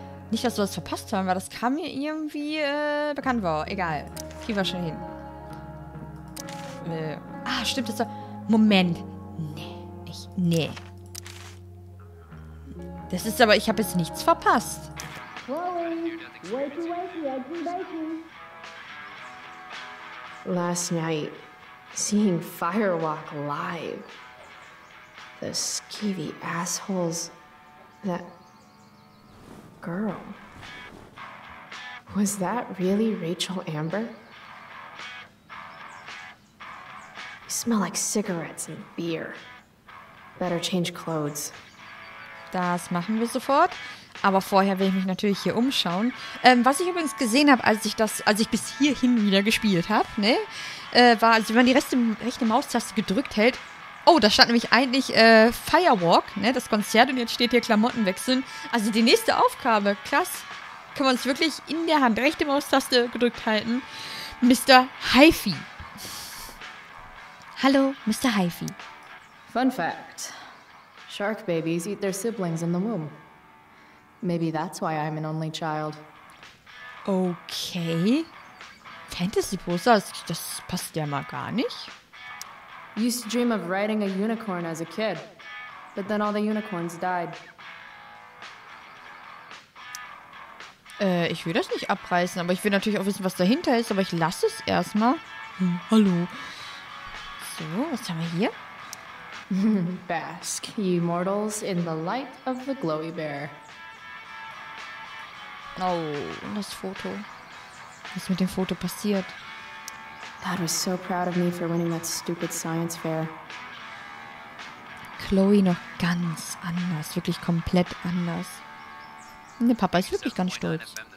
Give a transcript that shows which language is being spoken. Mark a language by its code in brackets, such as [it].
[de] Nicht, dass wir das verpasst haben, weil das kam mir irgendwie bekannt vor. Egal. Gehen wir schon hin. Stimmt das doch. Moment. Nee. Das ist aber, ich habe jetzt nichts verpasst. [en] Last night, seeing Firewalk live. The skeevy assholes. That girl. Was that really Rachel Amber? You smell like cigarettes and beer. Better change clothes. [de] Das machen wir sofort. Aber vorher will ich mich natürlich hier umschauen. Was ich übrigens gesehen habe, als ich bis hierhin wieder gespielt habe, ne, war, also wenn man die rechte Maustaste gedrückt hält. Oh, da stand nämlich eigentlich Firewalk, ne, das Konzert, und jetzt steht hier Klamotten wechseln. Also die nächste Aufgabe, krass. Kann man es wirklich in der Hand rechte Maustaste gedrückt halten? Mr. Hi-Fi. Hallo, Mr. Hi-Fi. [en] Fun fact. Shark babies eat their siblings in the womb. Maybe that's why I'm an only child. Okay. [de] Fantasy Posters, das passt ja mal gar nicht. [en] Used to dream of riding a unicorn as a kid. But then all the unicorns died. [de] Ich will das nicht abreißen, aber ich will natürlich auch wissen, was dahinter ist. Aber ich lasse es erstmal. Hallo. So, was haben wir hier? [en] Bask, ye mortals, in the light of the glowy bear. [de] Oh, und das Foto. Was ist mit dem Foto passiert? [en] Dad was so proud of me for winning that stupid science fair. [de] Chloe noch ganz anders, wirklich komplett anders. Ne, Papa ist wirklich ganz stolz.